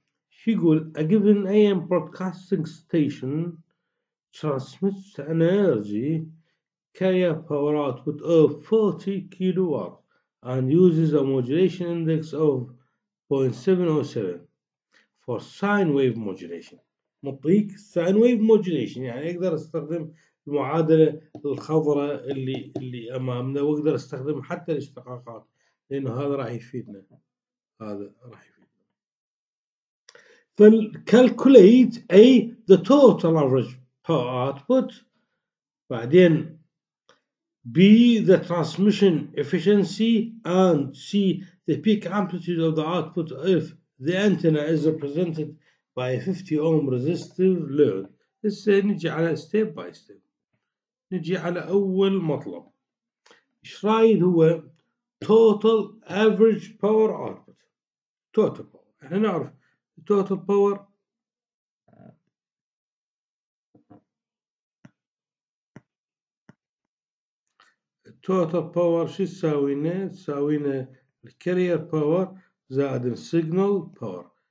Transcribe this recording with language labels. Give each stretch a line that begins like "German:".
Arabic: شو يقول؟
English: A given AM broadcasting station transmits energy carrier power output of 40 kilowatt and uses a modulation index of 0.707 for sine wave modulation.
Arabic: مطيق sine wave modulation يعني اقدر استخدم المعادلة الخضراء اللي امامنا، واقدر استخدم حتى الاشتقاقات لانه هذا راح يفيدنا.
English: فالcalculate a the total average power output، بعدين B the transmission efficiency and C the peak amplitude of the output if the antenna is represented by a 50 ohm resistive load.
Arabic: هسه نجي على
English: step by step،
Arabic: نجي على أول مطلب. إيش رايد هو total average power output. total power احنا نعرف total power total power شو تساوينا؟ تساوينا الكارير باور زائد السيجنال باور.